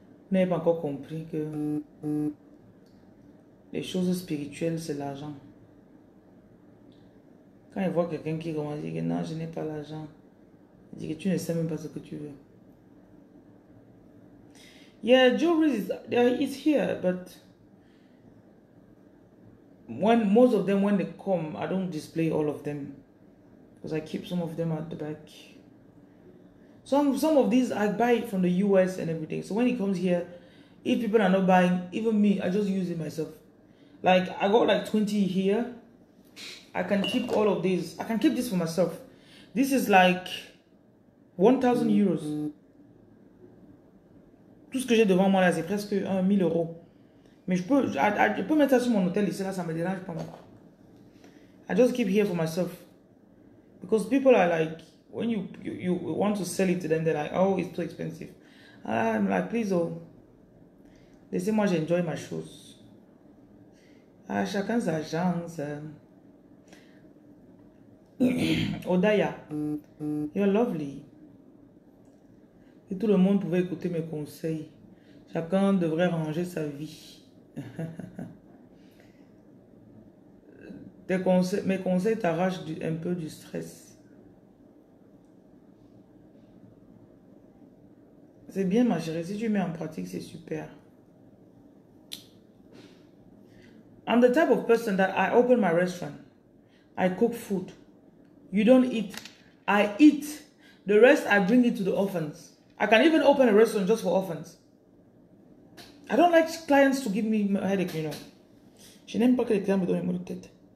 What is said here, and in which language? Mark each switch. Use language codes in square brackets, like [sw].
[fr] Mais j'ai pas encore compris que les choses spirituelles, c'est l'argent. Quand il voit quelqu'un qui commence à dire que non, je n'ai pas l'argent, il dit que tu ne sais même pas ce que tu veux. [en] Yeah, jewelry is it's here, but when most of them, when they come, I don't display all of them because I keep some of them at the back. Some of these I buy from the US and everything. So when it comes here, if people are not buying, even me, I just use it myself. Like, I got like 20 here. I can keep all of these. I can keep this for myself. This is like 1,000 euros. [fr] Tout ce que j'ai devant moi là, c'est presque 1,000 euros. Mais je peux mettre ça sur mon hôtel ici, là, ça me dérange pas mal. [en] I just keep here for myself. Because people are like, when you want to sell it to them, they're like, oh, it's too expensive. I'm like, please, oh. [fr] Laissez-moi, [en] j'enjoy my shoes. [fr] Ah, chacun sa chance. [en] Odaya, you're lovely. [fr] Si tout le monde pouvait écouter mes conseils, chacun devrait ranger sa vie. Mes conseils t'arrachent un peu du stress. C'est bien, ma chérie. Si tu mets en pratique, c'est super. [en] I'm the type of person that I open my restaurant. I cook food. You don't eat. I eat. The rest, I bring it to the orphans. I can even open a restaurant just for orphans. I don't like clients to give me a headache, you know. [fr] Je n'aime pas que les clients me donnent mal de tête.